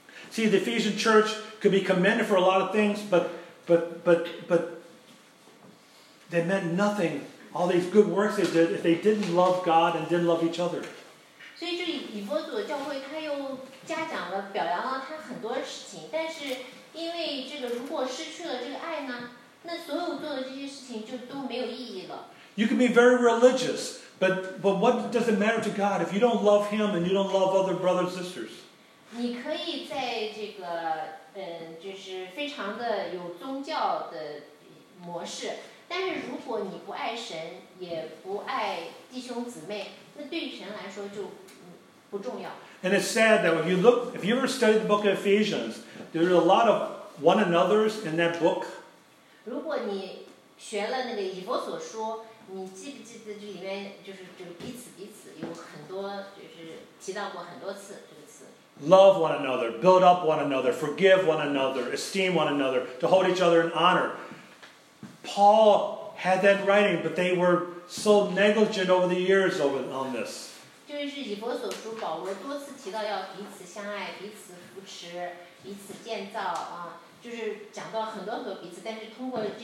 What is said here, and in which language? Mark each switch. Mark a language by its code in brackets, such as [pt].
[en] See, the Ephesian church could be commended for a lot of things, but they meant nothing. All these good works they did if they didn't love God and didn't love each other. [zh] 所以就以弗所教会他又嘉奖了表扬了他很多事情，但是因为这个如果失去了这个爱呢，那所有做的这些事情就都没有意义了。 [en] You can be very religious, but what does it matter to God if you don't love Him and you don't love other brothers and sisters? [zh] 你可以在这个就是非常的有宗教的模式，但是如果你不爱神，也不爱弟兄姊妹，那对神来说就不重要。 [en] And it's sad that if you ever studied the book of Ephesians, there are a lot of one another's in that book. [zh] 如果你学了那个以弗所书，你记不记得这里面就是彼此彼此有很多就是提到过很多次这个词。 [en] Love one another, build up one another, forgive one another, esteem one another, to hold each other in honor. Paul had that writing, but they were so negligent over the years on this. [zh] 就是以弗所书保罗多次提到要彼此相爱，彼此扶持，彼此建造啊，就是讲到很多很多彼此，但是通过